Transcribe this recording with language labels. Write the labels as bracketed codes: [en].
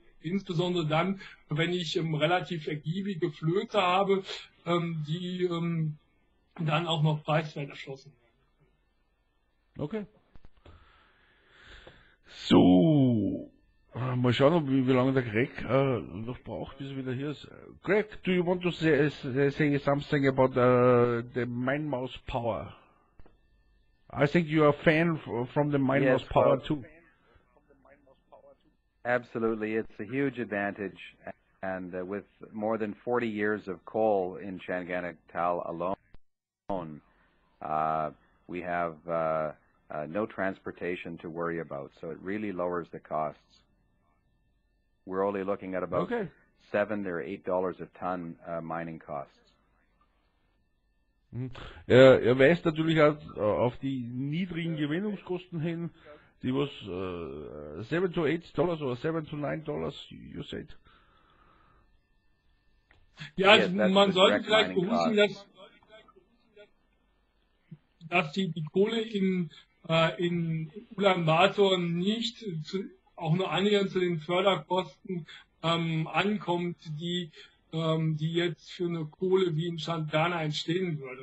[de] Insbesondere dann, wenn ich relativ ergiebige Flöte habe, die dann auch noch preiswert erschlossen werden. Okay. So. Mal schauen, wie lange der Greg noch braucht, bis er wieder hier ist. [en] Greg, do you want to say something about the Mainmaus Power? I think you are a fan from the Mainmaus Power too. Absolutely, it's a huge advantage, and with more than 40 years of coal in Changanakhtal alone, we have no transportation to worry about, so it really lowers the costs. We're only looking at about $7 or $8 a ton mining costs. [de] Er weist natürlich auch auf die niedrigen Gewinnungskosten hin. [en] Die was $7 to $8 or $7 to $9, you said. [de] Ja, [en] yes, [de] man sollte vielleicht berücksichtigen, dass die Kohle in Ulaanbaatar nicht auch nur annähernd zu den Förderkosten ankommt, die jetzt für eine Kohle wie in Chandana entstehen würde.